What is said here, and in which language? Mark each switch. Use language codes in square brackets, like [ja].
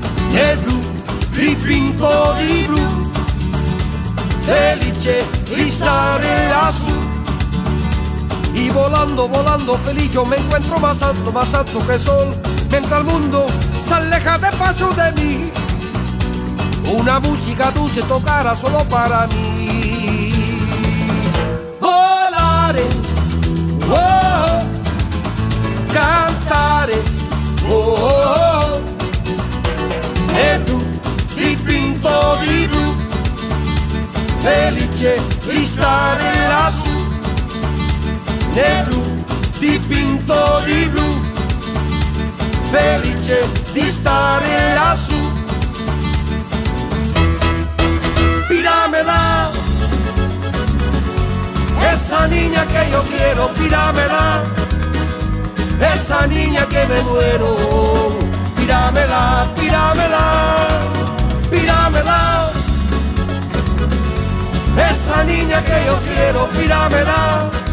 [it] Nel blu, dipinto di blu, felice di stare lassù. [es] Y volando, volando, feliz yo me encuentro más alto que el sol. Mientras el mundo se aleja de paso de mí. Una música dulce tocará solo para mí. [it] Volare, oh, oh, oh. Cantare, oh, oh, oh. E tu, dipinto di blu, felice di stare lassù. Nero, dipinto di blu, felice di stare lassù. [es] Pídamela, esa niña que yo quiero, pídamela, esa niña que me muero. Pídamela, pídamela, pídamela, esa niña que yo quiero, pídamela.